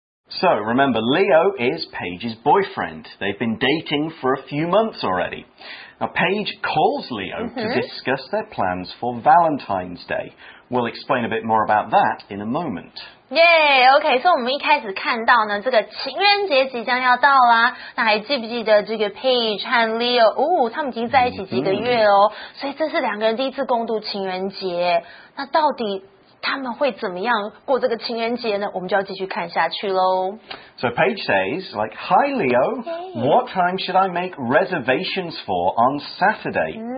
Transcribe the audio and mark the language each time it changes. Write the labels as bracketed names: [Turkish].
[English] So, remember, Leo is Paige's boyfriend. They've been dating for a few months already. Now, Paige calls Leo to discuss their plans for Valentine's Day. We'll explain a bit more about that in a moment. Yay! [Chinese] OK, 所以我们一开始看到呢，这个情人节即将要到啦。那还记不记得这个 Paige 和 Leo？ 哦，他们已经在一起几个月哦。所以这是两个人第一次共度情人节。那到底他们会怎么样过这个情人节呢？我们就要继续看下去咯。 [English] So Paige says, like, hi Leo, what time should I make reservations for on Saturday?